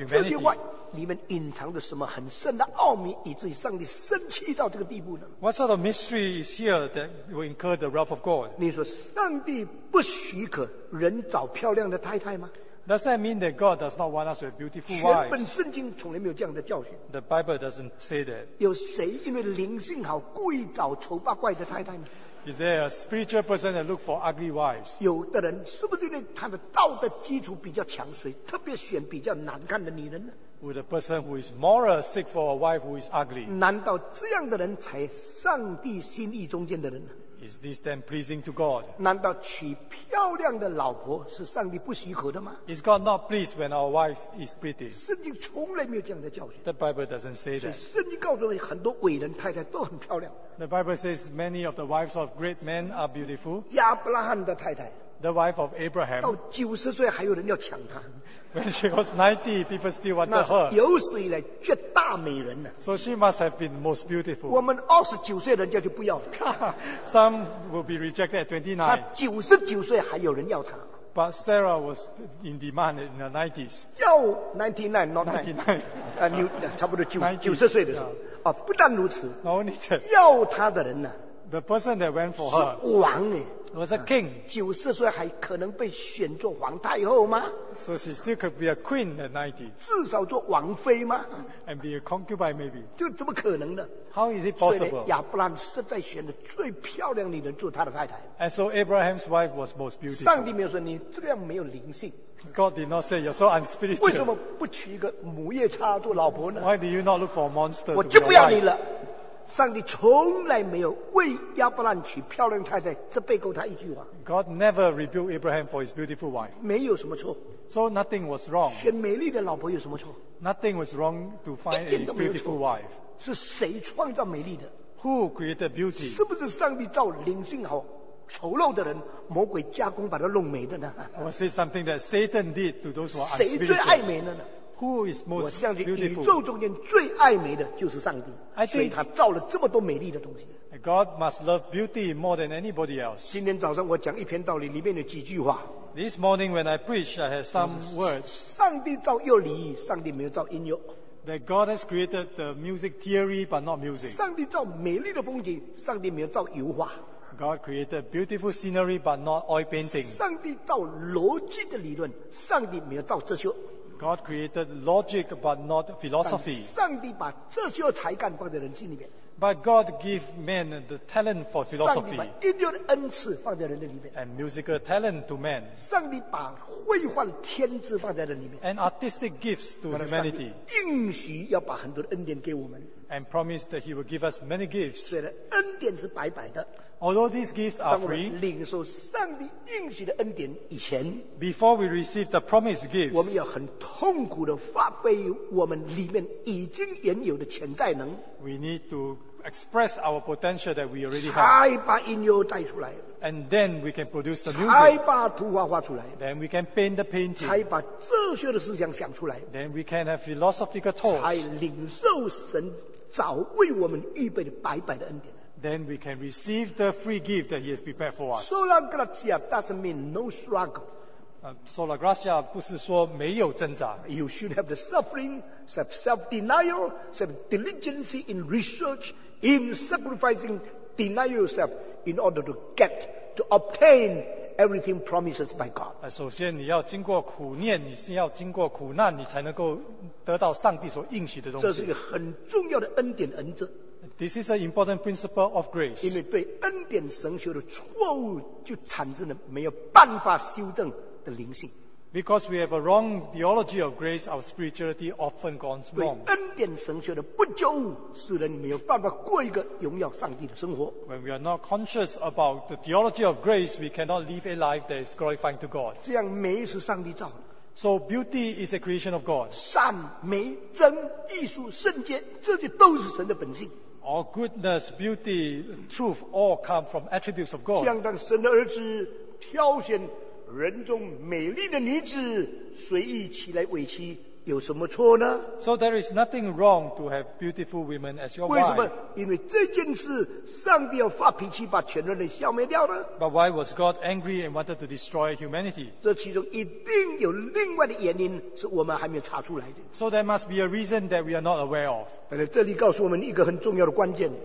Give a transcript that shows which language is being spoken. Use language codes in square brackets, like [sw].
[zh] 那么这句话里面隐藏着什么很深的奥秘，以至于上帝生气到这个地步呢？ [en] What sort of mystery is here that will incur the wrath of God? [zh] 你说上帝不许可人找漂亮的太太吗？ [en] Does that mean that God does not want us to have beautiful wives? [zh] 全本圣经从来没有这样的教训。 [en] The Bible doesn't say that. [zh] 有谁因为灵性好故意找丑八怪的太太呢？ [en] Is there a spiritual person that look for ugly wives? [zh] 有的人是不是因为他的道德基础比较强，所以特别选比较难看的女人呢？ [en] Would a person who is moral seek for a wife who is ugly? [zh] 难道这样的人才上帝心意中间的人呢？ [en] Is this then pleasing to God? [zh] 难道娶漂亮的老婆是上帝不许可的吗？ [en] Is God not pleased when our wife is pretty? [zh] 圣经从来没有这样的教训。 [en] The Bible doesn't say that. [zh] 所以圣经告诉我们，很多伟人太太都很漂亮。 [en] The Bible says many of the wives of great men are beautiful. [zh] 亚伯拉罕的太太。 [en] The wife of Abraham. [zh] 到90岁还有人要抢她。 [en] When she was 90, people still wanted her. [zh] 有史以来绝大美人呢。 [en] So she must have been most beautiful. [zh] 我们29岁人家就不要她。 [en] Some will be rejected at 29. [zh] 她99岁还有人要她。 [en] But Sarah was in demand in the 90s. 要 99, not 99. [zh] 差不多90岁的时候。Yeah. 不但如此。 [en] Not only that. [zh] 要她的人呢。 [en] The person that went for her. [zh] 是王耶。 [en] Was a king. [zh] 90岁还可能被选做皇太后吗？ [en] So she still could be a queen at 90. [zh] 至少做王妃吗？ [en] And be a concubine maybe. [zh] 就怎么可能呢？ [en] How is it possible? [zh] 亚伯拉罕实在选了最漂亮的女人做他的太太。 [en] And so Abraham's wife was most beautiful. [zh] 上帝没有说你这样没有灵性。 [en] God did not say you're so unspiritual. [zh] 为什么不娶一个母夜叉做老婆呢？ Why do you not look for a monster? 我就不要你了。上帝从来没有为亚伯兰娶漂亮太太责备过他一句话。 [en] God never rebuked Abraham for his beautiful wife. [zh] 没有什么错。 [en] So nothing was wrong. [zh] 选美丽的老婆有什么错？ [en] Nothing was wrong to find a beautiful wife. [zh] 是谁创造美丽的？ [en] Who created beauty? [zh] 是不是上帝造灵性好丑陋的人，魔鬼加工把它弄美的呢？ [en] Was it something that Satan did to those who are unspiritual? [zh] 谁最爱美的呢？ [en] Who is most [zh] 我相信宇宙中间最爱美的就是上帝，所以他造了这么多美丽的东西。 [en] God must love beauty more than anybody else. [zh] 今天早上我讲一篇道理，里面有几句话。 [en] This morning when I preach, I had some words. [zh] 上帝造乐理，上帝没有造音乐。 [en] That God has created the music theory, but not music. [zh] 上帝造美丽的风景，上帝没有造油画。 [en] God created beautiful scenery, but not oil painting. [zh] 上帝造逻辑的理论，上帝没有造哲学。 [en] God created logic but not philosophy. [zh] 但上帝把这些才干放在人心里面。 [en] But God gave men the talent for philosophy. [zh] 上帝把音乐的恩赐放在人的里面。 [en] And musical talent to men. [zh] 上帝把绘画的天资放在人里面。 [en] And artistic gifts to humanity. [zh] 应许要把很多的恩典给我们。 [en] And promised that he will give us many gifts. [zh] 虽然恩典是白白的。 [en] Although these gifts are free, [zh] 当我们领受上帝应许的恩典以前， [en] before we receive the promised gifts, [zh] 我们要很痛苦地发挥我们里面已经原有的潜在能。 [en] We need to express our potential that we already have. [zh] 才把音乐带出来。 [en] And then we can produce the music. [zh] 才把图画画出来。 [en] Then we can paint the painting. [zh] 才把哲学的思想想出来。 [en] Then we can have philosophical thoughts. [zh] 才领受神早为我们预备的白白的恩典。 [en] Then we can receive the free gift that he has prepared for us. Sola gratia doesn't mean no struggle. [zh] Sola gratia 不是说没有挣扎。 [en] You should have the suffering, have self-denial, have diligence in research, in sacrificing, deny yourself in order to get, to obtain everything promises by God. [zh] 首先你要经过苦念，你是要经过苦难，你才能够得到上帝所应许的东西。这是一个很重要的恩典恩泽。 [en] This is an important principle of grace. [zh] 因为对恩典神学的错误，就产生了没有办法修正的灵性。 [en] Because we have a wrong theology of grace, our spirituality often goes wrong. [zh] 对恩典神学的不觉悟，使人没有办法过一个荣耀上帝的生活。 [en] When we are not conscious about the theology of grace, we cannot live a life that is glorifying to God. [zh] 这样美是上帝造的。 [en] So beauty is a creation of God. [zh] 善美真艺术圣洁，这些都是神的本性。 [en] All goodness, beauty, truth all come from attributes of God. [zh] 这样当神的儿子挑选人中美丽的女子随意起来为妻，有什么错呢？ [en] So there is nothing wrong to have beautiful women as your wife. [zh] 为什么？因为这件事，上帝要发脾气，把全人类消灭掉呢？ [en] But why was God angry and wanted to destroy humanity? [zh] 这其中一定有另外的原因，是我们还没有查出来的。 [en] So there must be a reason that we are not aware of. [zh] 但是这里告诉我们一个很重要的关键。